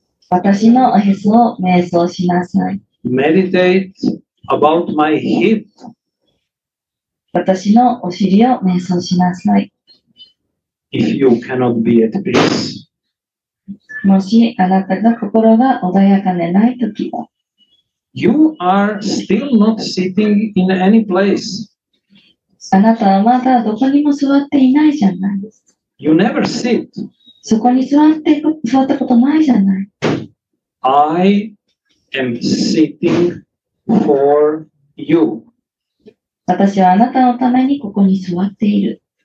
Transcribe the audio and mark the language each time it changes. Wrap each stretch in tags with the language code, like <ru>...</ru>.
<ja>私のおへそを瞑想しなさい。</ja> <en>Meditate about my hip.</en> <ja>私のお尻を瞑想しなさい。</ja> <en>If you cannot be at peace.</en> <ja>もしあなたが心が穏やかでないときは。</ja> <en>You are still not sitting in any place.</en> <ja>あなたはまだどこにも座っていないじゃない。</ja> <en>You never sit.</en> <ja>そこに座ったことないじゃない。</ja> <en>I am sitting for you.</en> <ja>私はあなたのためにここに座っている。</ja>